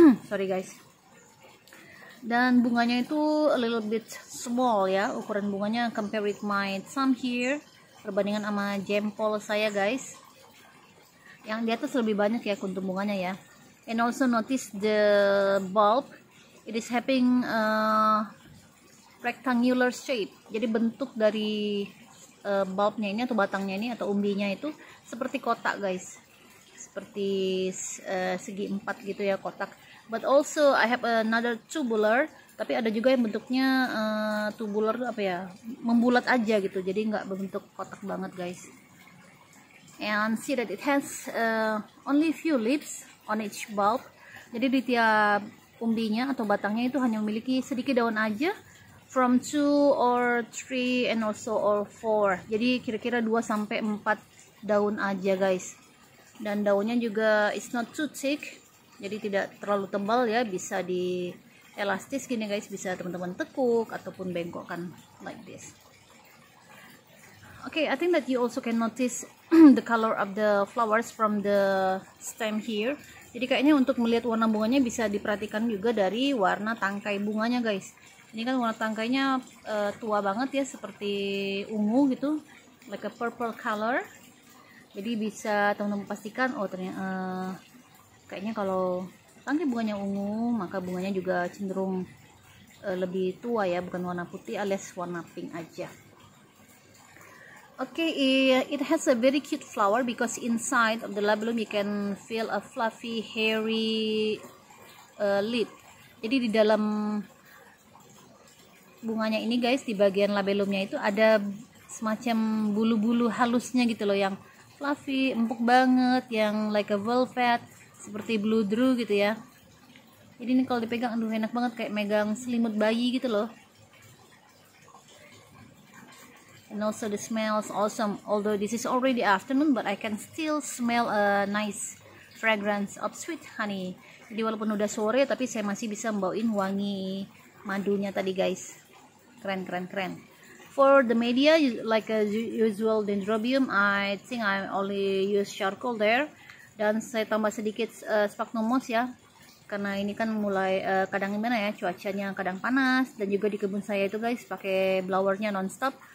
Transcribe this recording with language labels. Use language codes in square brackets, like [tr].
[id] Sorry, guys. Dan bunganya itu [en] a little bit small, [id] ya, ukuran bunganya [en] compared with my thumb here, [id] perbandingan sama jempol saya, guys. Yang di atas lebih banyak, ya, kuntum bunganya, ya. [en] And also notice the bulb, it is having a rectangular shape. [id] Jadi bentuk dari bulbnya ini atau batangnya ini atau umbinya itu seperti kotak, guys. Seperti segi empat gitu, ya, kotak. [en] But also I have another tubular, [id] tapi ada juga yang bentuknya tubular itu apa, ya, membulat aja gitu, jadi nggak berbentuk kotak banget, guys. [en] And see that it has only few leaves on each bulb. [id] Jadi di tiap umbinya atau batangnya itu hanya memiliki sedikit daun aja, [en] from 2 or 3 and also or 4. [id] Jadi kira-kira 2-4 daun aja, guys. Dan daunnya juga [en] it's not too thick, [id] jadi tidak terlalu tebal, ya, bisa di elastis gini, guys, bisa teman-teman tekuk ataupun bengkokkan [en] like this. Okay, I think that you also can notice the color of the flowers from the stem here. [id] Jadi kayaknya untuk melihat warna bunganya bisa diperhatikan juga dari warna tangkai bunganya, guys. Ini kan warna tangkainya tua banget, ya, seperti ungu gitu, [en] like a purple color. [id] Jadi bisa teman-teman pastikan, oh, ternyata kayaknya kalau tangkai bunganya ungu, maka bunganya juga cenderung lebih tua, ya, bukan warna putih alias warna pink aja. [en] Okay, it has a very cute flower because inside of the labellum you can feel a fluffy hairy lip. [id] Jadi di dalam bunganya ini, guys, di bagian labellumnya itu ada semacam bulu-bulu halusnya gitu loh, yang fluffy, empuk banget, yang [en] like a velvet, [id] seperti blue drew gitu, ya. Jadi ini kalau dipegang, aduh, enak banget, kayak megang selimut bayi gitu loh. [en] And also the smells awesome, although this is already afternoon, but I can still smell a nice fragrance of sweet honey. [id] Jadi walaupun udah sore tapi saya masih bisa membawain wangi madunya tadi guys. Keren keren keren. [en] For the media like a usual dendrobium, I think I only use charcoal there. [id] Dan saya tambah sedikit sphagnum moss ya, karena ini kan mulai kadang gimana ya, cuacanya kadang panas dan juga di kebun saya itu guys pakai blowernya nonstop.